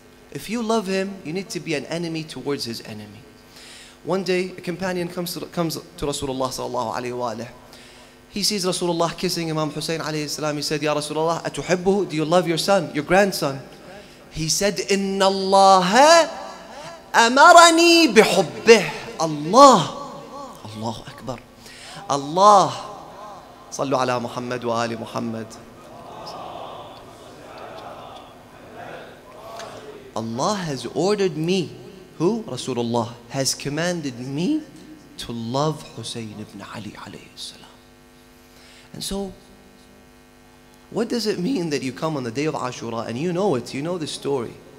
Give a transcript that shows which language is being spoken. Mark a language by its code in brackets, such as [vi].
[en] If you love him, you need to be an enemy towards his enemy. One day, a companion comes to Rasulullah sallallahu alayhi wa alayhi. He sees Rasulullah kissing Imam Hussein alayhi salam. He said, Ya Rasulullah, [ar] atuhibbuhu? [en] Do you love your son, your grandson? He said, [ar] إِنَّ اللَّهَ أَمَرَنِي بِحُبِّهِ [en] Allah, Allahu Akbar. [ar] Allah, صلوا على محمد وآل محمد. [en] Allah has ordered me, who? Rasulullah, has commanded me to love Hussein ibn Ali alayhi salam. And so, What does it mean that you come on the day of Ashura, and you know it, you know the story.